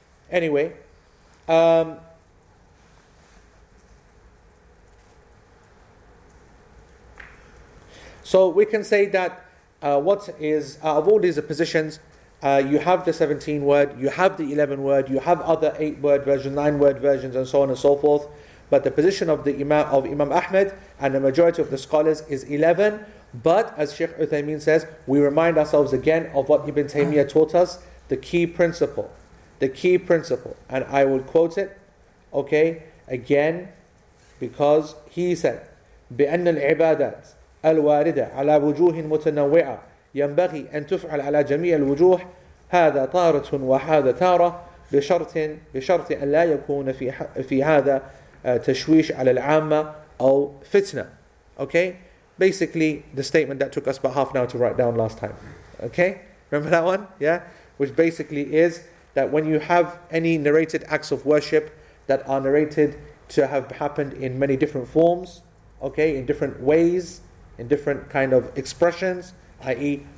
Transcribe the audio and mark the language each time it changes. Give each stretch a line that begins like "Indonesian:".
English: Anyway, so we can say that what is, out of all these positions, you have the 17 word, you have the 11 word, you have other 8 word versions, 9 word versions, and so on and so forth. But the position of the Imam Ahmed and the majority of the scholars is 11. But as Sheikh Uthaymeen says, we remind ourselves again of what Ibn Taymiyyah taught us, the key principle. The key principle. And I will quote it, okay, again, because he said,
Arabic: بِأَنَّ الْعِبَادَةِ الواردة على وجوه متنوعة ينبغي أن تفعل على جميع الوجوه هذا طارة وهذا تارة بشرط أن لا يكون في هذا تشويش على العامة أو فتنة.
English: Okay, basically the statement that took us about half an hour to write down last time. Okay, remember that one? Yeah, which basically is that when you have any narrated acts of worship that are narrated to have happened in many different forms, okay, in different ways, in different kind of expressions, i.e.